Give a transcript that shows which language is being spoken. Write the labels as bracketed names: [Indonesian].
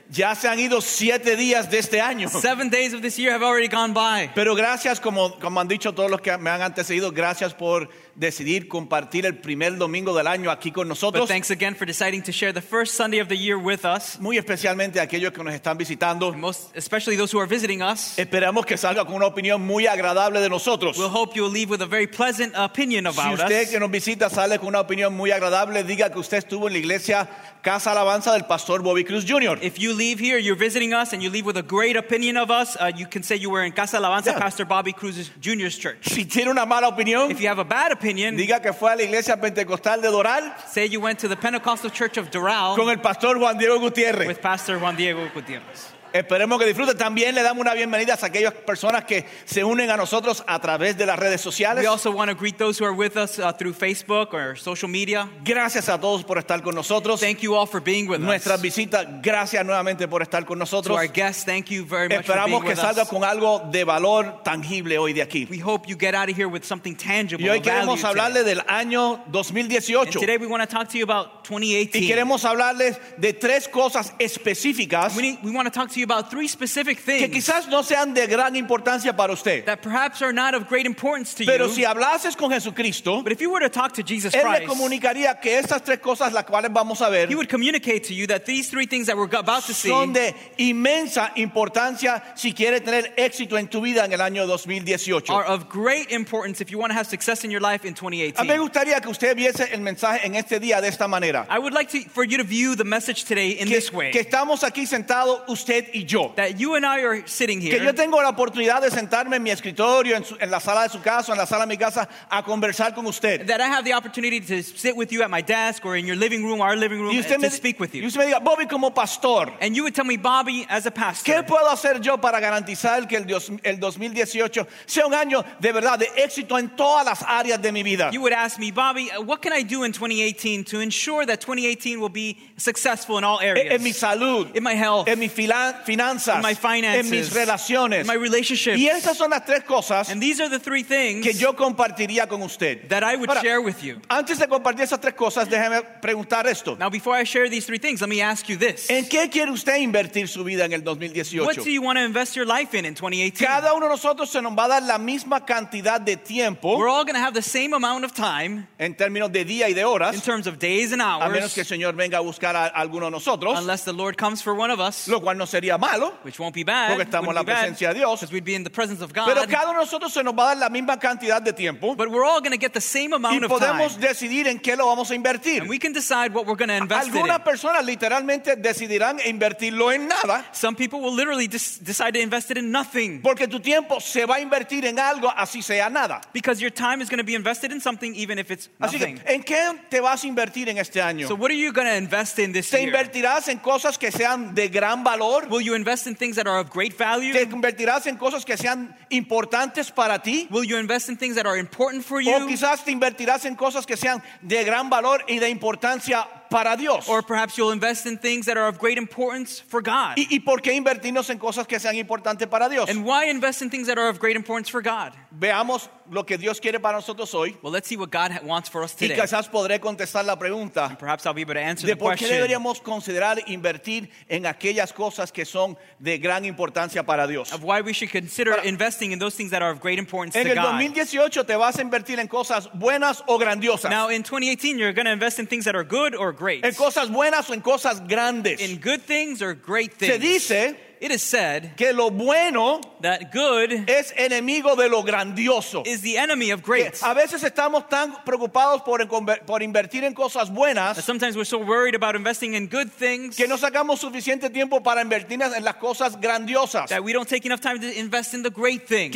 [Spanish] Ya se han ido 7 días de este año. [English] 7 days of this year have already gone by. [Spanish] Pero gracias, como han dicho todos los que me han antecedido, gracias por decidir compartir el primer domingo del año aquí con nosotros. [English] But thanks again for deciding to share the first Sunday of the year with us. [Spanish] Muy especialmente aquellos que nos están visitando. [English] Most especially those who are visiting us. [Spanish] Esperamos que salga con una opinión muy agradable de nosotros. [English] We'll hope you'll leave with a very pleasant opinion about us. [Spanish] Si usted que nos visita sale con una opinión muy agradable, diga que usted estuvo en la iglesia Casa Alabanza del Pastor Bobby Cruz Jr. [English] If you leave here, you're visiting us, and you leave with a great opinion of us, you can say you were in Casa Alabanza, yeah. Pastor Bobby Cruz Jr.'s church. [Spanish] Si tiene una mala opinión, [English] if you have a bad opinion, [Spanish] diga que fue a la iglesia pentecostal de Doral, [English] say you went to the Pentecostal Church of Doral [Spanish] con el Pastor Juan Diego Gutiérrez. [English] With Pastor Juan Diego Gutiérrez. [Spanish] Esperemos que disfruten. También le damos una bienvenida a aquellas personas que se unen a nosotros a través de las redes sociales. [English] We also want to greet those who are with us through Facebook or social media. [Spanish] Gracias a todos por estar con nosotros. [English] Thank you all for being with [Spanish] nuestra [English] us. [Spanish] Visita, gracias nuevamente por estar con nosotros. [English] To our guests, thank you very much. [Spanish] Esperamos [English] for being [Spanish] que salga con algo de valor tangible hoy de aquí. [English] We hope you get out of here with something tangible. [Spanish] Y hoy queremos hablarle [English] today. [Spanish] Del año 2018. [English] And today we want to talk to you about 2018. [Spanish] Y queremos hablarles de tres cosas específicas. [English] We want to talk to you about three specific things [Spanish] que quizás no sean de gran importancia para usted, [English] that perhaps are not of great importance to [Spanish] pero [English] you. [Spanish] Si hablases con Jesucristo, [English] but if you were to talk to Jesus [Spanish] él [English] Christ, [Spanish] le comunicaría que estas tres cosas las cuales vamos a ver, [English] he would communicate to you that these three things that we're about to see [Spanish] son de inmensa importancia si quiere tener éxito en tu vida en el año 2018. [English] Are of great importance if you want to have success in your life in 2018. [Spanish] A mí me gustaría que usted viese el mensaje en este día de esta manera. [English] I would like to, for you to view the message today in [Spanish] que, [English] this way. [Spanish] Que estamos aquí sentado usted y yo. [English] That you and I are sitting here. [Spanish] Que yo tengo la oportunidad de sentarme en mi escritorio, en la sala de su casa, en la sala de mi casa, a conversar con usted. [English] That I have the opportunity to sit with you at my desk or in your living room, our living room, to speak with you. [Spanish] Y usted me diga, Bobby, como pastor. [English] And you would tell me, Bobby, as a pastor. [Spanish] ¿Qué puedo hacer yo para garantizar que el 2018 sea un año de verdad, de éxito en todas las áreas de mi vida? [English] You would ask me, Bobby, what can I do in 2018 to ensure that 2018 will be successful in all areas? [Spanish] En mi salud. [English] In my health. [Spanish] En mi finanzas, [English] in my finances, [Spanish] en mis relaciones, [English] in my relationships. [Spanish] Y esas son las tres cosas, [English] and these are the three things [Spanish] que yo compartiría con usted, [English] that I would [Spanish] Ahora, [English] share with you. [Spanish] Antes de compartir esas tres cosas, déjeme preguntar esto. [English] Now before I share these three things, let me ask you this. [Spanish] ¿En qué quiere usted invertir su vida en el 2018? [English] What do you want to invest your life in 2018? [Spanish] Cada uno de nosotros se nos va a dar la misma cantidad de tiempo. [English] We're all going to have the same amount of time [Spanish] en términos de día y de horas, [English] in terms of days and hours, [Spanish] a menos que el Señor venga a buscar a alguno de nosotros, [English] unless the Lord comes for one of us, [Spanish] lo cual no sería malo, [English] which won't be bad, [Spanish] porque estamos en la presencia de Dios, [English] because we'd be in the presence of God. [Spanish] Pero cada uno de nosotros se nos va a dar la misma cantidad de tiempo, [English] but we're all going to get the same amount of time, [Spanish] y podemos decidir en qué lo vamos a invertir. [English] And we can decide what we're going to invest. [Spanish] Algunas personas literalmente decidirán invertirlo en nada. [English] Some people will literally decide to invest it in nothing, [Spanish] porque tu tiempo se va a invertir en algo así sea nada, [English] because your time is going to be invested in something even if it's nothing. [Spanish] Así que, ¿en qué te vas a invertir en este año? [English] So what are you going to invest in this [Spanish] ¿Te [English] year? [Spanish] Invertirás en cosas que sean de gran valor? [English] Will you invest in things that are of great value? [Spanish] ¿Te convertirás en cosas que sean importantes para ti? [English] Will you invest in things that are important for you? [Spanish] ¿O quizás te invertirás en cosas que sean de gran valor y de importancia para Dios? [English] Or perhaps you'll invest in things that are of great importance for God. [Spanish] ¿Y por qué invertirnos en cosas que sean importantes para Dios? [English] And why invest in things that are of great importance for God? [Spanish] Veamos lo que Dios quiere para nosotros hoy. [English] Well, let's see what God wants for us today. [Spanish] Y quizás podré contestar la pregunta. [English] And perhaps I'll be able to answer [Spanish] de [English] the question. [Spanish] ¿De por qué deberíamos considerar invertir en aquellas cosas que son de gran importancia para Dios? [English] Of why we should consider investing in those things that are of great importance to God. [Spanish] En el 2018 te vas a invertir en cosas buenas o grandiosas. [English] Now in 2018 you're going to invest in things that are good or great. [Spanish] En cosas buenas o en cosas grandes. [English] In good things or great things. [Spanish] Se dice, [English] it is said, [Spanish] que lo bueno, [English] that good [Spanish] es enemigo de lo grandioso, [English] is the enemy of great. [Spanish] A veces estamos tan preocupados por invertir en cosas buenas, [English] that sometimes we're so worried about investing in good things, [Spanish] que no sacamos suficiente tiempo para invertir en las cosas grandiosas, [English] that we don't take enough time to invest in the great things.